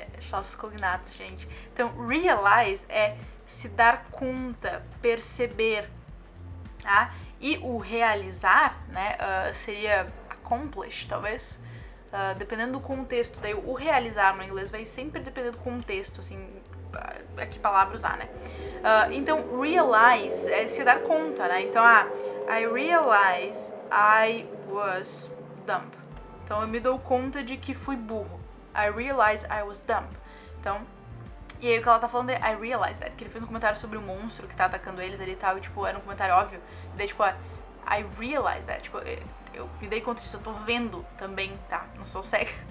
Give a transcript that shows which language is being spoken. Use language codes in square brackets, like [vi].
[pt] Falsos cognatos, gente. Então, realize é se dar conta, perceber, tá? E o realizar, né, seria accomplish, talvez, dependendo do contexto. Daí, o realizar no inglês vai sempre depender do contexto, assim, a que palavra usar, né? Então, realize é se dar conta, né? [en] Então, I realize I was dumb. [pt] Então, eu me dou conta de que fui burro. [en] I realize I was dumb. [pt] Então, e aí o que ela tá falando é [en] I realize that, [pt] que ele fez um comentário sobre o monstro que tá atacando eles ali e tal, e tipo, era um comentário óbvio. E daí tipo, [en] I realize that, [pt] tipo, eu me dei conta disso, eu tô vendo também, tá? Não sou cega.